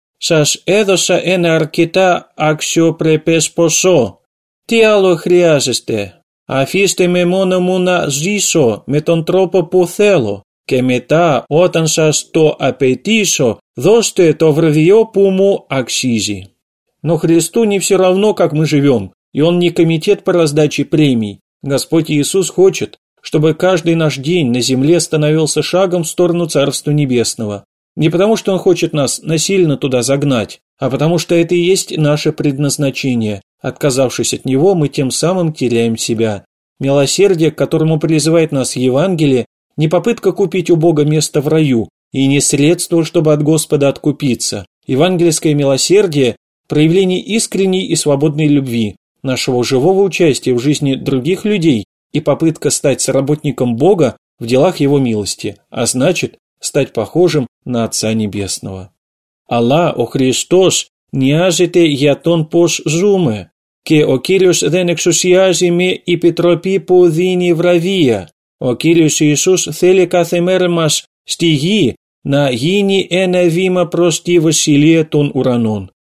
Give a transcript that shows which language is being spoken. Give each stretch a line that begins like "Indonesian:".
Greek: «Σας έδωσα ένα αρκετά αξιοπρεπές ποσό. Τι άλλο χρειάζεστε? Αφήστε με μόνο μου να ζήσω με τον τρόπο που θέλω και μετά όταν σας το απαιτήσω, δώστε το βραβείο που μου αξίζει».
Russian: Но Христу не все равно, как мы живем, и Он не комитет по раздаче премий. Господь Иисус хочет, чтобы каждый наш день на земле становился шагом в сторону Царства Небесного. Не потому, что Он хочет нас насильно туда загнать, а потому, что это и есть наше предназначение. Отказавшись от Него, мы тем самым теряем себя. Милосердие, к которому призывает нас Евангелие, не попытка купить у Бога место в раю и не средство, чтобы от Господа откупиться. Евангельское милосердие – проявление искренней и свободной любви, нашего живого участия в жизни других людей и попытка стать соработником Бога в делах Его милости, а значит, стать похожим на Отца Небесного.
Greek: Αλλά ο Χριστός νοιάζεται για τον πώς ζούμε και ο Κύριος δεν εξουσιάζει με επιτροπή που δίνει βραβεία. Ο Κύριος Ιησούς θέλει κάθε μέρα μας στη γη να γίνει ένα βήμα προς τη Βασιλεία των Ουρανών.